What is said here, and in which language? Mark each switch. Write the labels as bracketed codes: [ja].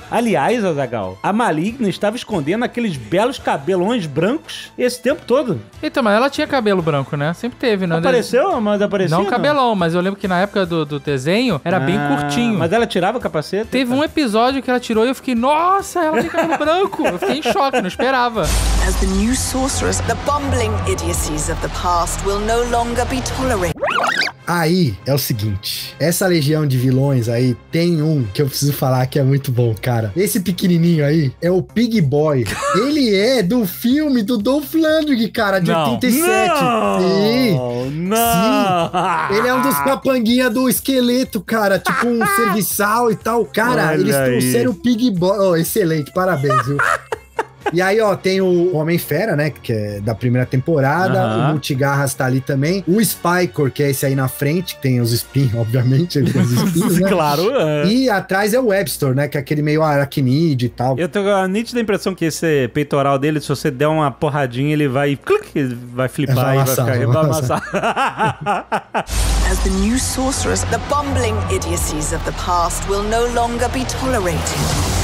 [pt] Aliás, Azaghal, a maligna estava escondendo aqueles belos cabelões brancos esse tempo todo. Então, mas ela tinha cabelo branco, né? Sempre teve, né? Apareceu, mas apareceu. Não, cabelão, mas eu lembro que na época do desenho, era bem curtinho. Mas ela tirava o capacete? Teve um episódio que ela tirou e eu fiquei, nossa, ela tem cabelo branco. Eu fiquei em choque, não esperava. [en] As the new sorceress, the bumbling idiocies of the past will no longer be tolerated. [pt] Aí, é o seguinte, essa legião de vilões aí, tem um que eu preciso falar que é muito bom, cara. Esse pequenininho aí é o Pig Boy. Ele é do filme do Dolph Lundgren, cara, de 87. Não. Ele é um dos capanguinha do esqueleto, cara, tipo um serviçal e tal. Cara, olha, eles trouxeram o Pig Boy. Oh, excelente, parabéns, viu? E aí, ó, tem o Homem-Fera, né, que é da primeira temporada, uh-huh. O Multigarras tá ali também, o Spycor, que é esse aí na frente, que tem os spins, obviamente, ele tem os spins, né? Claro, E atrás é o Webster, né, que é aquele meio aracnídeo e tal. Eu tenho a nítida impressão que esse peitoral dele, se você der uma porradinha, ele vai, clic, vai flipar e vai ficar amassado. [en] As the new sorceress, the bumbling idiocies of the past will no longer be tolerated.